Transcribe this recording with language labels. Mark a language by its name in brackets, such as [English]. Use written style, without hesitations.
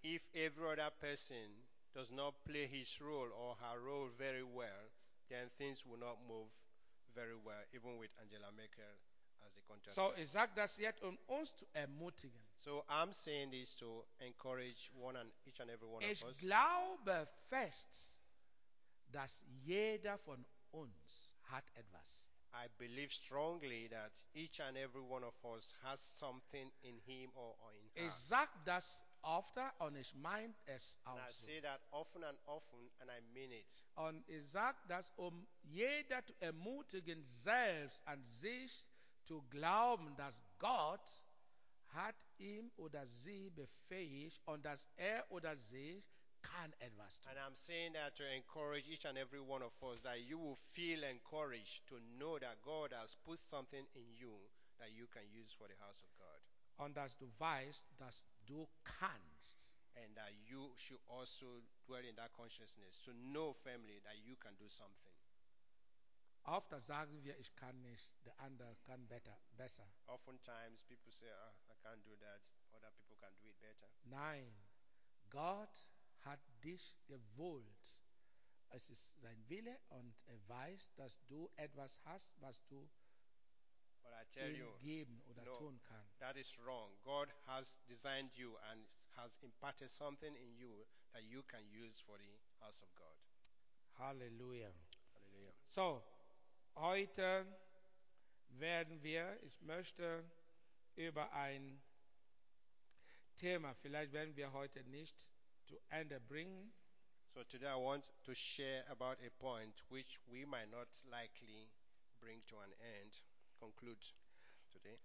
[English] And if every other person does not play his role or her role very well, then things will not move very well, even with Angela Merkel as the contact person. [German] So, ich sage das jetzt, um uns zu ermutigen. [English] So, I'm saying this to encourage one and each and every one [German] ich [English] of us. [German] Ich glaube fest, dass jeder von uns hat etwas. [English] I believe strongly that each and every one of us has something in him or in her. [German] Ich sage das oft und ich meine es auch. [English] And I say that often and often and I mean it. [German] Und ich sage das, jeder zu ermutigen, selbst an sich zu glauben, dass Gott hat ihm oder sie befähigt und dass oder sie kann etwas tun. [English] And I'm saying that to encourage each and every one of us, that you will feel encouraged to know that God has put something in you that you can use for the house of God. [German] Und dass du weißt, dass du kannst. [English] And that you should also dwell in that consciousness to know firmly that you can do something. [German] Oft sagen wir, ich kann nicht, der andere kann besser. [English] Oftentimes people say, I can't do that, other people can do it better. [German] Nein, Gott hat dich gewollt. Es ist sein Wille und weiß, dass du etwas hast, was du geben oder tun kann. [English] That is wrong. God has designed you and has imparted something in you that you can use for the house of God. [German] Halleluja. Halleluja. So, heute werden wir, ich möchte über ein Thema, vielleicht werden wir heute nicht zu Ende bringen. [English] So today I want to share about a point which we might not likely bring to an end, conclude today.